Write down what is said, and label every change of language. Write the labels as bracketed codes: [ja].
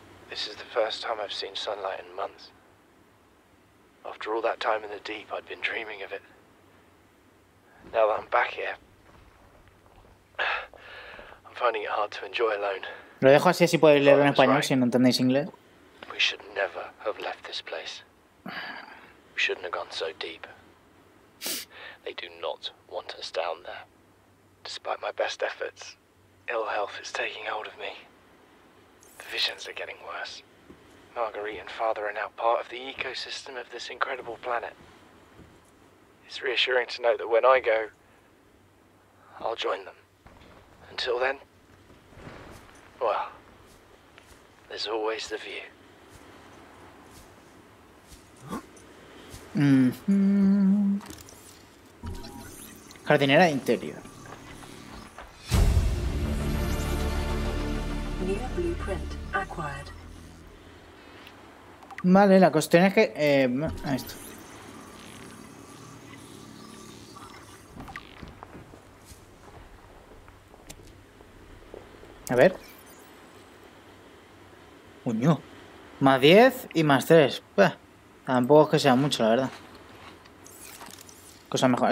[en] This is the first time I've seen sunlight in months. After all that time in the deep, I'd been dreaming of it. Now that I'm back here, I'm finding it hard to enjoy alone. [es] Lo dejo así, así podéis leerlo en español, right. Si no entendéis inglés. [en] We should never have left this place. We shouldn't have gone so deep. They do not want us down there. Despite my best efforts, ill health is taking hold of me. The visions are getting worse. Marguerite and father are now part of the ecosystem of this incredible planet. It's reassuring to know that when I go, I'll join them. Until then, well, there's always the view. [es] Jardinera interior. [en] New blueprint acquired. [es] Vale, la cuestión es que esto. A ver. Uño. Más 10 y más 3. Tampoco es que sea mucho, la verdad. Cosa mejor.